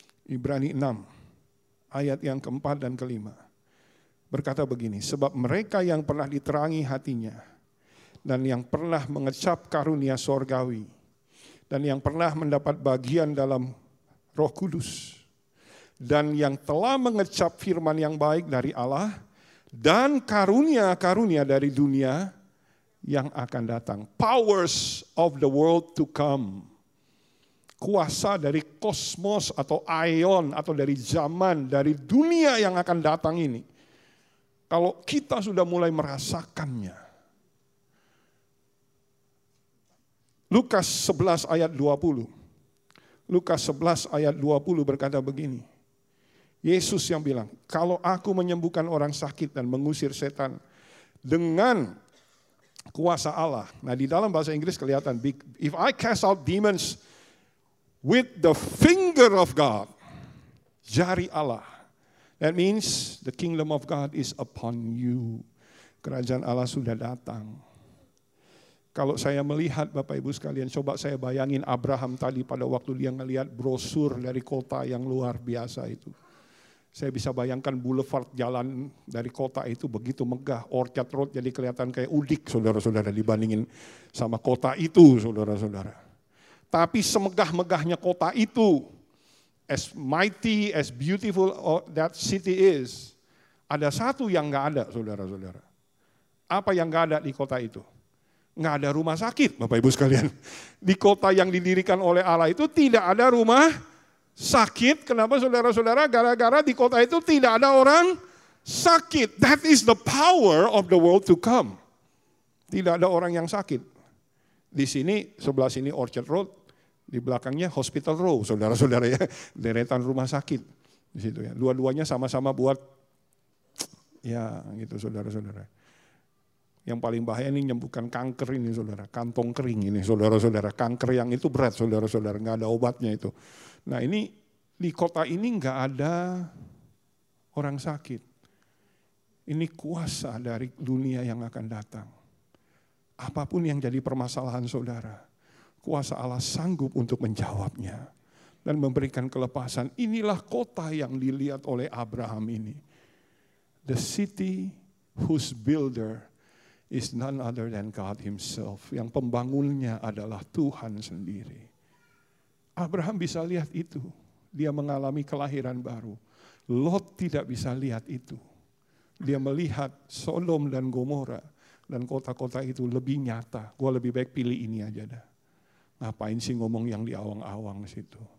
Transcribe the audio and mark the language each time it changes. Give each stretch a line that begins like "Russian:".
Indonesian: Ibrani 6, ayat yang keempat dan kelima, berkata begini, sebab mereka yang pernah diterangi hatinya, dan yang pernah mengecap karunia sorgawi, dan yang pernah mendapat bagian dalam Roh Kudus, dan yang telah mengecap firman yang baik dari Allah, dan karunia-karunia dari dunia yang akan datang.
English: Powers of the world to come.
Indonesian: Kuasa dari kosmos atau aeon atau dari zaman, dari dunia yang akan datang ini. Kalau kita sudah mulai merasakannya. Lukas 11 ayat 20. Lukas 11 ayat 20 berkata begini. Yesus yang bilang, kalau aku menyembuhkan orang sakit dan mengusir setan dengan kuasa Allah. Nah di dalam bahasa Inggris kelihatan,
English: if I cast out demons, with the finger of God,
Indonesian: jari Allah.
English: That means the kingdom of God is upon you.
Indonesian: Kerajaan Allah sudah datang. Kalau saya melihat Bapak Ibu sekalian, coba saya bayangin Abraham tadi pada waktu dia melihat brosur dari kota yang luar biasa itu. Saya bisa bayangkan boulevard jalan dari kota itu begitu megah. Orchard Road jadi kelihatan kayak Udik, saudara-saudara, dibandingin sama kota itu, saudara-saudara. Tapi semegah-megahnya kota itu,
English: as mighty, as beautiful that city is,
Indonesian: ada satu yang gak ada, saudara-saudara. Apa yang gak ada di kota itu? Gak ada rumah sakit, Bapak-Ibu sekalian. Di kota yang didirikan oleh Allah itu tidak ada rumah sakit. Kenapa, saudara-saudara? Gara-gara di kota itu tidak ada orang sakit.
English: That is the power of the world to come.
Indonesian: Tidak ada orang yang sakit. Di sini, sebelah sini Orchard Road, di belakangnya Hospital Row, saudara-saudara ya, deretan rumah sakit di situ ya. Dua-duanya sama-sama buat, ya gitu saudara-saudara. Yang paling bahaya ini menyembuhkan kanker ini, saudara. Kantong kering ini, saudara-saudara. Kanker yang itu berat, saudara-saudara. Enggak ada obatnya itu. Nah ini, di kota ini enggak ada orang sakit. Ini kuasa dari dunia yang akan datang. Apapun yang jadi permasalahan saudara, kuasa Allah sanggup untuk menjawabnya dan memberikan kelepasan. Inilah kota yang dilihat oleh Abraham ini.
English: The city whose builder is none other than God himself.
Indonesian: Yang pembangunnya adalah Tuhan sendiri. Abraham bisa lihat itu. Dia mengalami kelahiran baru. Lot tidak bisa lihat itu. Dia melihat Sodom dan Gomora dan kota-kota itu lebih nyata. Gua lebih baik pilih ini aja dah. Ngapain sih ngomong yang di awang-awang situ?